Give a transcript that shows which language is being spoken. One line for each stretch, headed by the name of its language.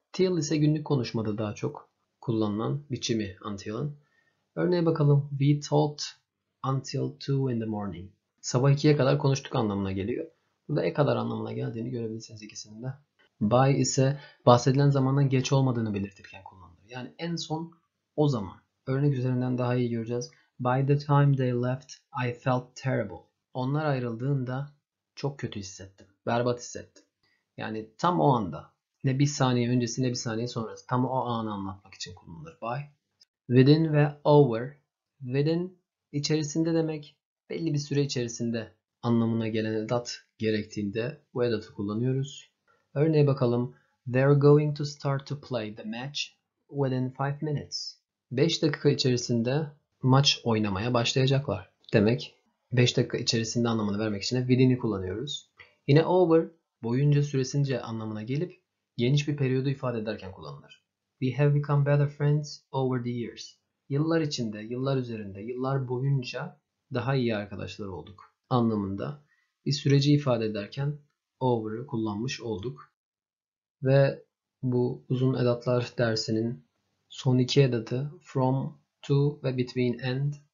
Turkish: Till ise günlük konuşmada daha çok kullanılan biçimi until'ın. Örneğe bakalım.
English: We talked until 2 in the morning.
Turkish: Sabah 2'ye kadar konuştuk anlamına geliyor. Burada e kadar anlamına geldiğini görebilirsiniz ikisinin de. By ise bahsedilen zamandan geç olmadığını belirtirken kullanılır. Yani en son o zaman. Örnek üzerinden daha iyi göreceğiz.
English: By the time they left, I felt terrible.
Turkish: Onlar ayrıldığında çok kötü hissettim. Berbat hissettim. Yani tam o anda. Ne bir saniye öncesi ne bir saniye sonrası. Tam o anı anlatmak için kullanılır. By. Within ve over. Within içerisinde demek belli bir süre içerisinde anlamına gelen edat gerektiğinde bu edatı kullanıyoruz. Örneğe bakalım.
English: They're going to start to play the match within 5 minutes.
Turkish: 5 dakika içerisinde maç oynamaya başlayacaklar. Demek 5 dakika içerisinde anlamını vermek için de within'i kullanıyoruz. Yine over boyunca süresince anlamına gelip geniş bir periyodu ifade ederken kullanılır.
English: We have become better friends over the years.
Turkish: Yıllar içinde, yıllar üzerinde, yıllar boyunca daha iyi arkadaşlar olduk anlamında bir süreci ifade ederken over'ı kullanmış olduk. Ve bu uzun edatlar dersinin son iki edatı from, to ve between and.